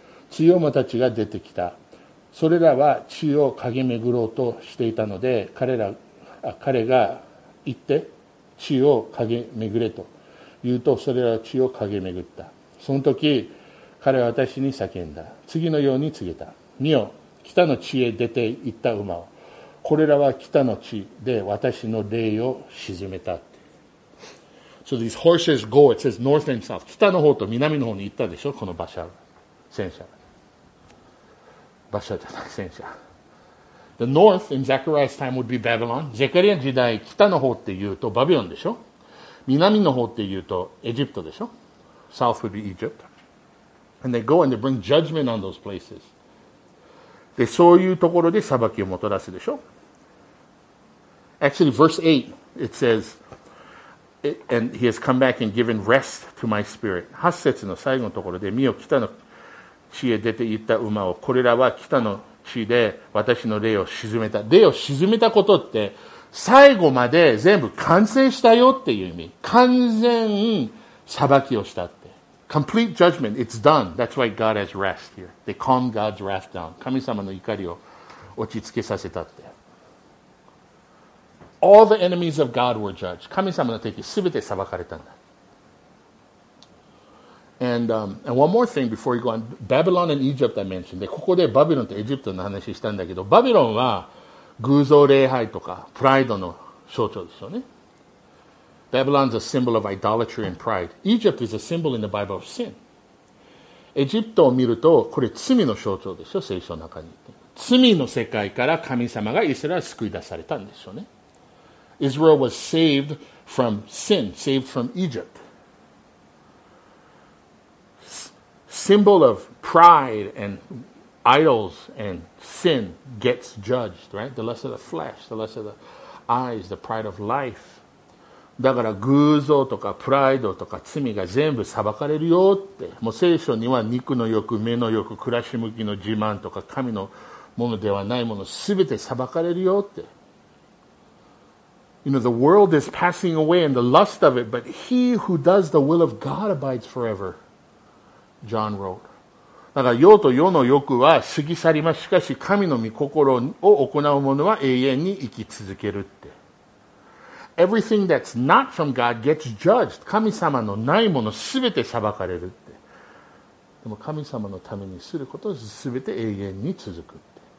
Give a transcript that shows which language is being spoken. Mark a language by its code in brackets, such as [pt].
[ja] 強者たちが出てきた。それらは地を駆け巡ろうとしていたので、彼が言って、地を駆け巡れと言うと、それらは地を駆け巡った。その時、彼は私に叫んだ。次のように告げた。見よ、北の地へ出て行った馬を。これらは北の地で私の霊を鎮めた。 [en] So these horses go, it says north and south. [ja] 北の方と南の方に行ったでしょ、この馬車、戦車。馬車じゃない戦車。 [en] The north in Zechariah's time would be Babylon. [ja] ゼカリア時代、北の方って言うとバビロンでしょ。南の方って言うとエジプトでしょ。 [en] South would be Egypt. And they go and they bring judgment on those places. [ja] で、そういうところで裁きをもたらすでしょ。 [en] Actually, verse 8, it says, and he has come back and given rest to my spirit. [ja] 8節の最後のところで、見よ、北の地へ出て行った馬を、これらは北の地で私の霊を沈めた。霊を沈めたことって、最後まで全部完成したよっていう意味。完全裁きをしたって。 [en] Complete judgment, it's done. That's why God has rest here. They calm God's wrath down. [ja] 神様の怒りを落ち着けさせたって。 [en] All the enemies of God were judged. [ja] 神様の敵全て裁かれたんだ。 [en] And one more thing before you go on. Babylon and Egypt I mentioned. [ja] で、ここでバビロンとエジプトの話したんだけど、バビロンは偶像礼拝とかプライドの象徴ですよね。 [en] Babylon's a symbol of idolatry and pride. Egypt is a symbol in the Bible of sin. [ja] エジプトを見ると、これ罪の象徴でしょ、聖書の中に。罪の世界から神様がイスラエル救い出されたんですよね。 [en] Israel was saved from sin, saved from Egypt. Symbol of pride and idols and sin gets judged, right? The lust of the flesh, the lust of the eyes, the pride of life. [ja] だから偶像とかプライドとか罪が全部裁かれるよって。もう聖書には肉の欲、目の欲、暮らし向きの自慢とか神のものではないもの全て裁かれるよって。 [en] You know, the world is passing away and the lust of it, but he who does the will of God abides forever. John wrote. [ja] だから用と用の欲は過ぎ去ります。しかし神の御心を行う者は永遠に生き続けるって。 [en] Everything that's not from God gets judged. [ja] 神様のないもの全て裁かれるって。でも神様のためにすることは全て永遠に続くって。